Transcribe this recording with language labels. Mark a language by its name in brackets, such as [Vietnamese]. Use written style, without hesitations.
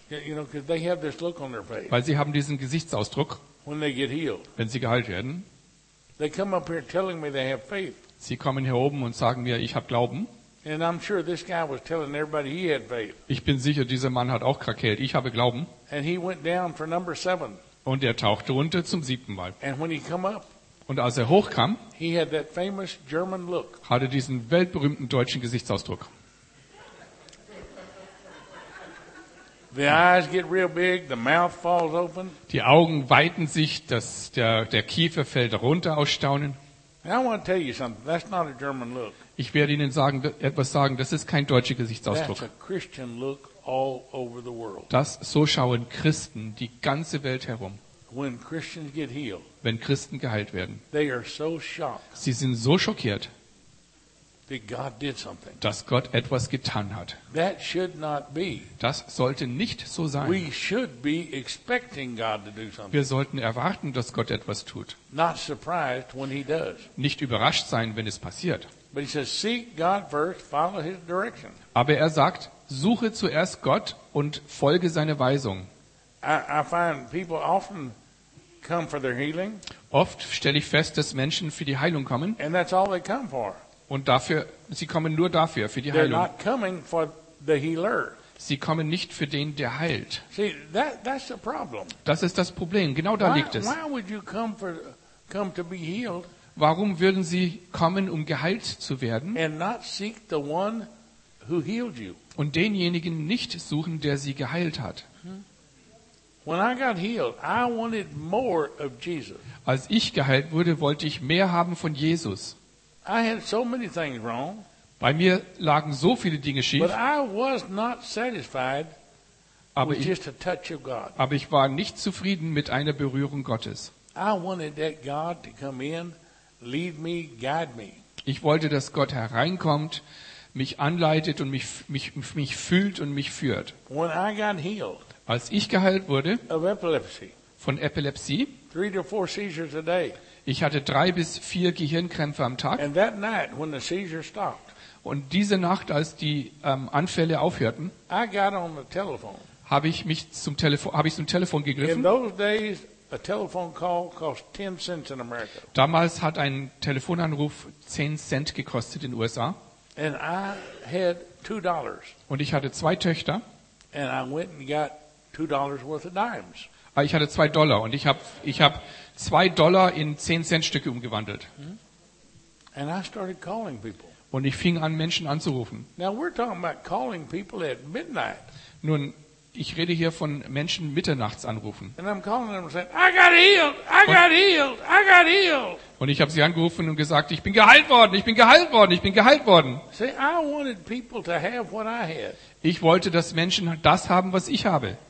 [English] You know, 'cause they have this look on their face. [German] Weil sie haben diesen Gesichtsausdruck, [English] when they get healed. [German] Wenn sie geheilt werden. [English] They come up here telling me they have faith. [German] Sie kommen hier oben und sagen mir, ich habe Glauben. [English] And I'm sure this guy was telling everybody he had faith. [German] Ich bin sicher, dieser Mann hat auch krakelt. Ich habe Glauben. [English] And he went down for number 7. [German] Und er tauchte runter zum 7. Mal. [English] And when he come up, [German] und als er hochkam, [English] he had that famous German look. [German] Hatte diesen weltberühmten deutschen Gesichtsausdruck. [English] The eyes get real big, the mouth falls open. [German] Die Augen weiten sich, dass der Kiefer fällt runter aus Staunen. [English] I want to tell you something. That's not a German look. [German] Ich werde Ihnen etwas sagen, das ist kein deutscher Gesichtsausdruck. [English] That's a Christian look all over the world. [German] Das so schauen Christen die ganze Welt herum. [English] When Christians get healed, [German] wenn Christen geheilt werden, [English] they are so shocked, [German] sie sind so schockiert, [English] that God did something. [German] Dass Gott etwas getan hat. [English] That should not be. [German] Das sollte nicht so sein. [English] We should be expecting God to do something. [German] Wir sollten erwarten, dass Gott etwas tut. [English] Not surprised when he does. [German] Nicht überrascht sein, wenn es passiert. [English] But he says, seek God first, follow his direction. [German] Aber er sagt, suche zuerst Gott und folge seiner Weisung. [English] I find people often come for their healing. [German] Oft stelle ich fest, dass Menschen für die Heilung kommen. [English] And that's all they come for. [German] Und dafür, sie kommen nur dafür, für die [English] They're [German] Heilung. [English] Not coming for the healer. [German] Sie kommen nicht für den, der heilt. [English] See, that's the problem. [German] Das ist das Problem, genau da liegt es. [English] Why would you come to be healed? [German] Warum würden sie kommen, um geheilt zu werden? [English] And not seek the one who healed you? [German] Und denjenigen nicht suchen, der sie geheilt hat. [English] When I got healed, I wanted more of Jesus. [German] Als ich geheilt wurde, wollte ich mehr haben von Jesus. [English] I had so many things wrong. [German] Bei mir lagen so viele Dinge schief. [English] But I was not satisfied with just a touch of God. [German] Aber ich war nicht zufrieden mit einer Berührung Gottes. [English] I wanted that God to come in, lead me, guide me. [German] Ich wollte, dass Gott hereinkommt, mich anleitet und mich fühlt und mich führt. [English] When I got healed, [German] als ich geheilt wurde [English] of epilepsy, [German] von Epilepsie, [English] 3 to 4 seizures a day. [German] Ich hatte 3 bis 4 Gehirnkrämpfe am Tag. [English] And that night, when the seizures stopped, [German] und diese Nacht, als die Anfälle aufhörten, habe ich zum Telefon gegriffen. [English] In those days, a telephone call cost 10 cents in America. [German] Damals hat ein Telefonanruf 10 Cent gekostet in den USA. [English] And I had $2. [German] Und ich hatte 2 Töchter. [English] And I went and got $2 worth of dimes. [German] Ich hatte $2 und ich habe $2 in 10-Cent-Stücke umgewandelt. [English] And I started calling people. [German] Und ich fing an, Menschen anzurufen. [English] Now we're talking about calling people at midnight. [German] Nun, ich rede hier von Menschen mitternachts anrufen. [English] And I'm calling them and saying, I got healed, I got healed, I got healed. [German] Und ich habe sie angerufen und gesagt, ich bin geheilt worden, ich bin geheilt worden, ich bin geheilt worden. [English] See, I wanted people to have what I had. [German] Ich wollte, dass Menschen das haben, was ich habe.